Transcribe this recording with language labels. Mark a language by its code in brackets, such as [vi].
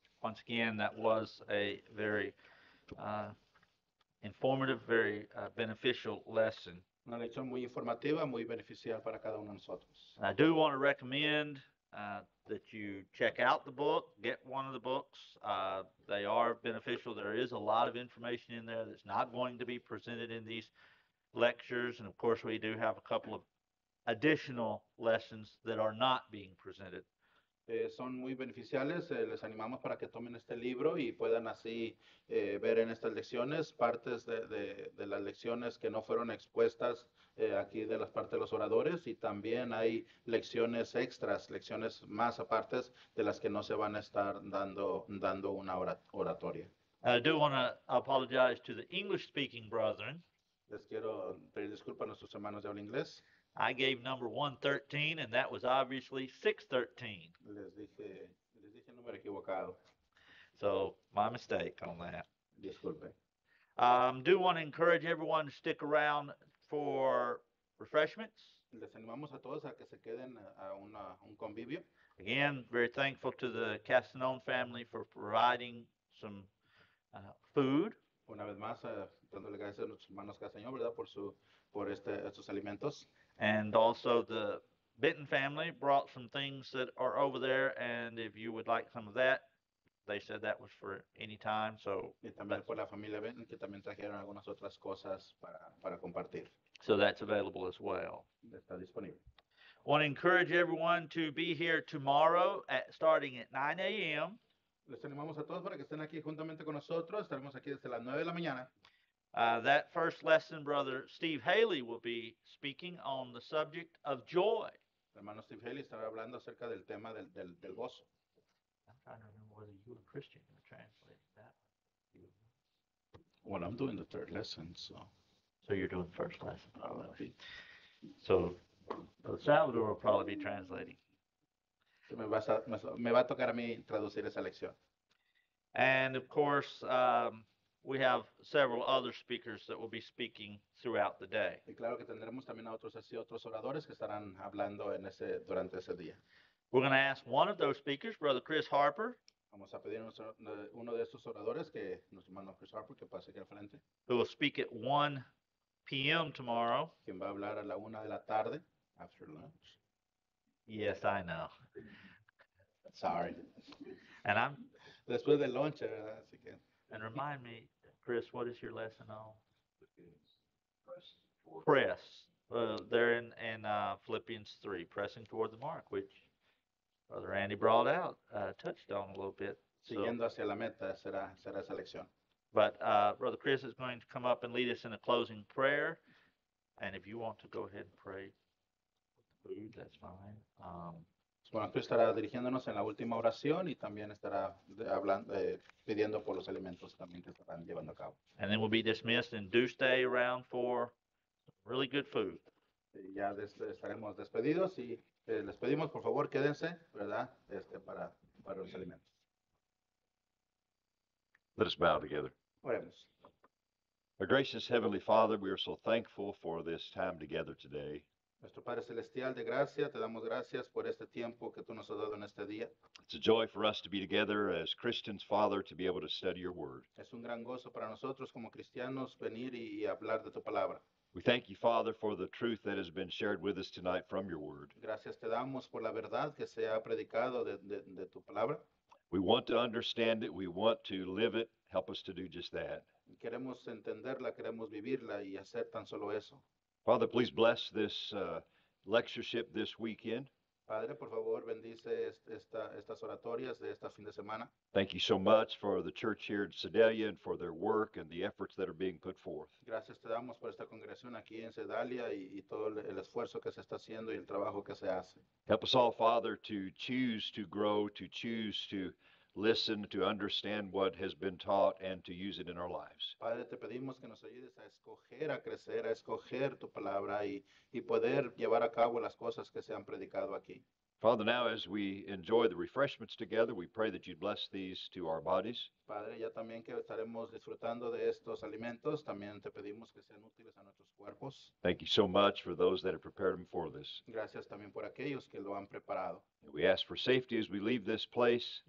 [en] Once again, that was a very informative, very beneficial lesson. [es] Una lección muy informativa, muy beneficial para cada uno de nosotros. [en] I do want to recommend that you check out the book, get one of the books. They are beneficial. There is a lot of information in there that's not going to be presented in these lectures. And, of course, we do have a couple of additional lessons that are not being presented. [es] Son muy beneficiales. Les animamos para que tomen este libro y puedan así ver en estas lecciones partes de las lecciones que no fueron expuestas aquí de las partes de los oradores. Y también hay lecciones extras, lecciones más aparte de las que no se van a estar dando una oratoria. [en] I do want to apologize to the English-speaking brethren. [es] Les quiero pedir disculpas a nuestros hermanos de habla inglés. [en] I gave number 113, and that was obviously 613. [es] Les dije el número equivocado. [en] So, my mistake on that. [es] Disculpe. [en] Do want to encourage everyone to stick around for refreshments. [es] Les animamos a todos a que se queden a un convivio. [en] Again, very thankful to the Castanon family for providing some food. [es] Una vez más, dándole gracias a nuestros hermanos Castanon, ¿verdad?, por estos alimentos. [en] And also the Benton family brought some things that are over there, and if you would like some of that, they said that was for any time. So [es] y también por la familia Benton, que también trajeron algunas otras cosas para compartir. [en] So that's available as well. [es] Está disponible. [en] Want to encourage everyone to be here tomorrow starting at 9 a.m. [es] Les animamos a todos para que estén aquí juntamente con nosotros. Estaremos aquí desde las 9 de la mañana. [en] That first lesson, Brother Steve Haley will be speaking on the subject of joy. [es] Hermano Steve Haley estará hablando acerca del tema del gozo. [en] I'm trying to remember whether you were a Christian or translated that. Well, I'm doing the third lesson, so. So you're doing the first lesson. So Salvador will probably be translating. [es] Me va a tocar a mí traducir esa lección. [en] And, of course, we have several other speakers that will be speaking throughout the day. [es] Y claro que tendremos también a otros oradores que estarán hablando durante ese día. [en] We're going to ask one of those speakers, Brother Chris Harper. [es] Vamos a pedir uno de estos oradores, que nuestro hermano Chris Harper, que pase aquí al frente. [en] Who will speak at 1 p.m. tomorrow. [es] Quien va a hablar a la 1 de la tarde, [en] after lunch. Yes, I know. Sorry. And I'm... [es] Después del lunch, ¿verdad? Así que... [en] And remind me, Chris, what is your lesson on? Press. They're in Philippians 3, pressing toward the mark, which Brother Andy brought out, touched on a little bit. [es] Siguiendo hacia la meta será esa lección. [en] But Brother Chris is going to come up and lead us in a closing prayer. And if you want to go ahead and pray with the food, that's fine. [es] Bueno, tú estarás dirigiéndonos en la última oración y también estará hablando, pidiendo por los alimentos también que estarán llevando a cabo. [en] And then we'll be dismissed and do stay around for really good food. [es] Ya estaremos despedidos y les pedimos, por favor, quédense, ¿verdad?, para los alimentos. [en] Let us bow together. [es] Oremos. [en] Our gracious Heavenly Father, we are so thankful for this time together today. [es] Nuestro Padre Celestial, de gracia, te damos gracias por este tiempo que tú nos has dado en este día. [en] It's a joy for us to be together as Christians, Father, to be able to study your word. [es] Es un gran gozo para nosotros como cristianos venir y hablar de tu palabra. [en] We thank you, Father, for the truth that has been shared with us tonight from your word. [es] Gracias te damos por la verdad que se ha predicado de tu palabra. [en] We want to understand it, we want to live it, help us to do just that. [es] Queremos entenderla, queremos vivirla y hacer tan solo eso. [en] Father, please bless this lectureship this weekend. [es] Padre, por favor, bendice estas oratorias de este fin de semana. [en] Thank you so much for the church here in Sedalia and for their work and the efforts that are being put forth. [es] Gracias te damos por esta congregación aquí en Sedalia y todo el esfuerzo que se está haciendo y el trabajo que se hace. [en] Help us all, Father, to choose to grow, to choose to listen, to understand what has been taught and to use it in our lives. [es] Padre, te pedimos que nos ayudes a escoger, a crecer, a escoger tu palabra y poder llevar a cabo las cosas que se han predicado aquí. [en] Father, now as we enjoy the refreshments together, we pray that you'd bless these to our bodies. [es] Padre, ya también que estaremos disfrutando de estos alimentos, también te pedimos que sean útiles a nuestros cuerpos. [en] Thank you so much for those that have prepared them for this. [es] Gracias también por aquellos que lo han preparado. [en] We ask for safety as we leave this place.